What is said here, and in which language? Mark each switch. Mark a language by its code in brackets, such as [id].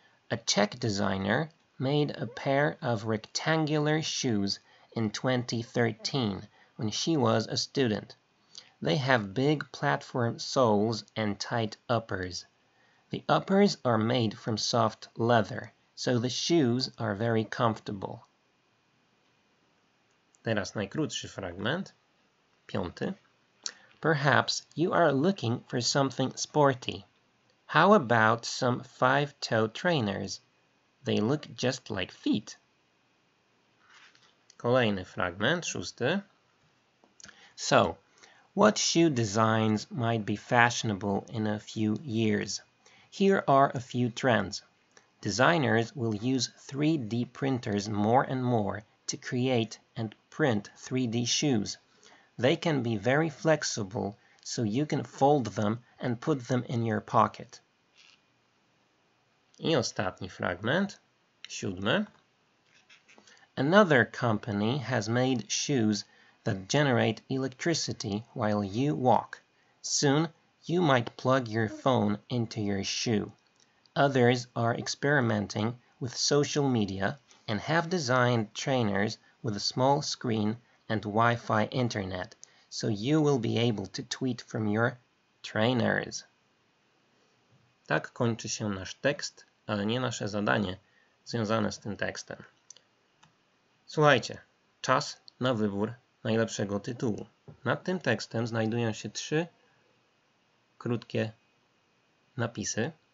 [en] A Czech designer made a pair of rectangular shoes in 2013 when she was a student. They have big platform soles and tight uppers. The uppers are made from soft leather, so the shoes are very comfortable. [pl] Teraz najkrótszy fragment, piąty. [en] Perhaps you are looking for something sporty. How about some five-toe trainers? They look just like feet. [pl] Kolejny fragment, szósty. [en] So, what shoe designs might be fashionable in a few years? Here are a few trends. Designers will use 3D printers more and more to create and print 3D shoes. They can be very flexible, so you can fold them and put them in your pocket. [pl] I ostatni fragment, siódmy. [en] Another company has made shoes that generate electricity while you walk. Soon, you might plug your phone into your shoe. Others are experimenting with social media and have designed trainers with a small screen and Wi-Fi internet, so you will be able to tweet from your trainers. [pl] Tak kończy się nasz tekst, ale nie nasze zadanie związane z tym tekstem. Słuchajcie, czas na wybór najlepszego tytułu. Nad tym tekstem znajdują się trzy krótkie napisy.